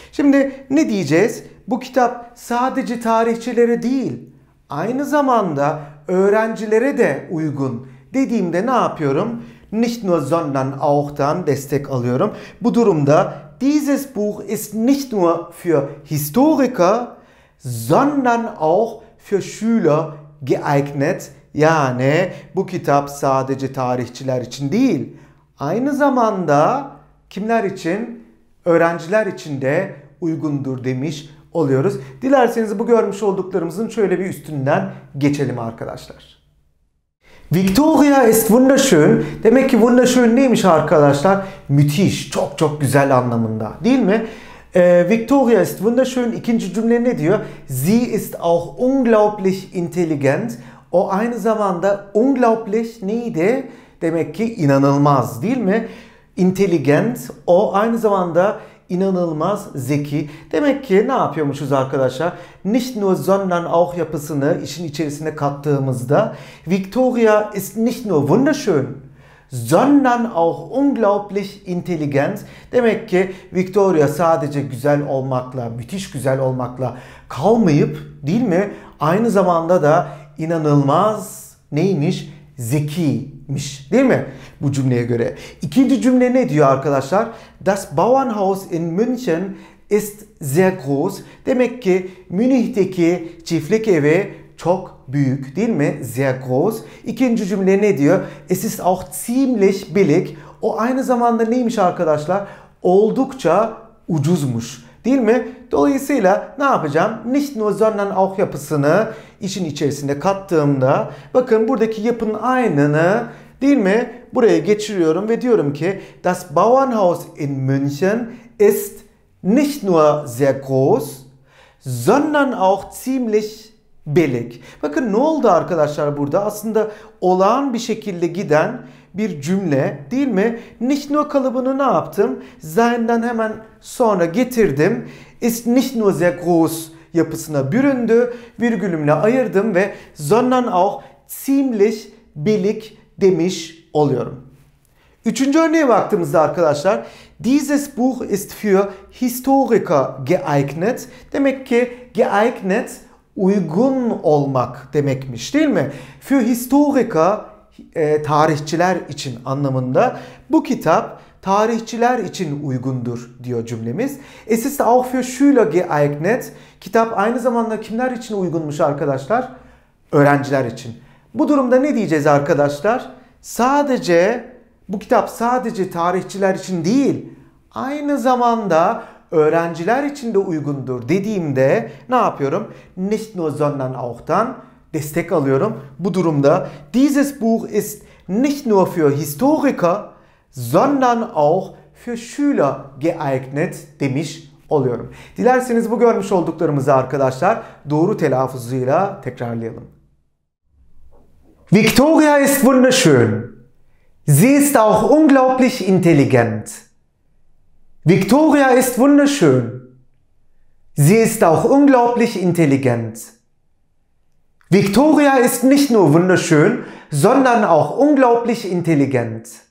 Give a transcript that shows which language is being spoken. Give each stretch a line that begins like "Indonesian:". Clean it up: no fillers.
Turkish: Şimdi ne diyeceğiz? Bu kitap sadece tarihçilere değil, aynı zamanda öğrencilere de uygun dediğimde ne yapıyorum? Nicht nur sondern auch'tan destek alıyorum. Bu durumda
German: dieses Buch ist nicht nur für Historiker, sondern auch für Schüler geeignet.
Turkish: Yani bu kitap sadece tarihçiler için değil, aynı zamanda kimler için? Öğrenciler için de uygundur demiş oluyoruz. Dilerseniz bu görmüş olduklarımızın şöyle bir üstünden geçelim arkadaşlar.
German: Victoria ist wunderschön.
Turkish: Demek ki wunderschön neymiş arkadaşlar? Müthiş, çok çok güzel anlamında, değil mi?
German: Victoria ist wunderschön.
Turkish: İkinci cümle ne diyor?
German: Sie ist auch unglaublich intelligent.
Turkish: O aynı zamanda unglaublich neydi? Demek ki inanılmaz, değil mi? Intelligent. O aynı zamanda inanılmaz zeki. Demek ki ne yapıyormuşuz arkadaşlar?
German: Nicht nur sondern auch
Turkish: yapısını işin içerisine kattığımızda
German: Victoria ist nicht nur wunderschön, sondern auch unglaublich intelligent.
Turkish: Demek ki Victoria sadece güzel olmakla, müthiş güzel olmakla kalmayıp, değil mi? Aynı zamanda da inanılmaz neymiş? Zekiymiş, değil mi? Bu cümleye göre. İkinci cümle ne diyor arkadaşlar?
German: Das Bauernhaus in München ist sehr groß.
Turkish: Demek ki Münih'teki çiftlik evi çok büyük, değil mi?
German: Sehr groß.
Turkish: İkinci cümle ne diyor?
German: Es ist auch ziemlich billig.
Turkish: O aynı zamanda neymiş arkadaşlar? Oldukça ucuzmuş, değil mi? Dolayısıyla ne yapacağım? Nicht nur sondern auch yapısını işin içerisinde kattığımda bakın buradaki yapının aynını, değil mi? Buraya geçiriyorum ve diyorum ki
German: das Bauernhaus in München ist nicht nur sehr groß, sondern auch ziemlich billig.
Turkish: Bakın ne oldu arkadaşlar burada? Aslında olağan bir şekilde giden bir cümle, değil mi? Nicht nur kalıbını ne yaptım? Sein'den hemen sonra getirdim.
German: Ist nicht nur sehr groß
Turkish: yapısına büründü. Virgülümle ayırdım ve
German: sondern auch ziemlich billig
Turkish: demiş oluyorum. Üçüncü örneğe baktığımızda arkadaşlar
German: dieses Buch ist für Historiker geeignet.
Turkish: Demek ki geeignet uygun olmak demekmiş, değil mi? Für Historiker tarihçiler için anlamında bu kitap tarihçiler için uygundur diyor cümlemiz.
German: Es ist auch für Schüler geeignet.
Turkish: Kitap aynı zamanda kimler için uygunmuş arkadaşlar? Öğrenciler için. Bu durumda ne diyeceğiz arkadaşlar? Sadece bu kitap sadece tarihçiler için değil, aynı zamanda öğrenciler için de uygundur dediğimde ne yapıyorum? Nicht nur sondern auch'tan destek alıyorum.
German: Bu durumda dieses Buch ist nicht nur für Historiker, sondern auch für Schüler geeignet
Turkish: demiş oluyorum. Dilerseniz bu görmüş olduklarımızı arkadaşlar doğru telaffuzuyla tekrarlayalım.
German: Victoria ist wunderschön. Sie ist auch unglaublich intelligent. Victoria ist wunderschön. Sie ist auch unglaublich intelligent. Victoria ist nicht nur wunderschön, sondern auch unglaublich intelligent.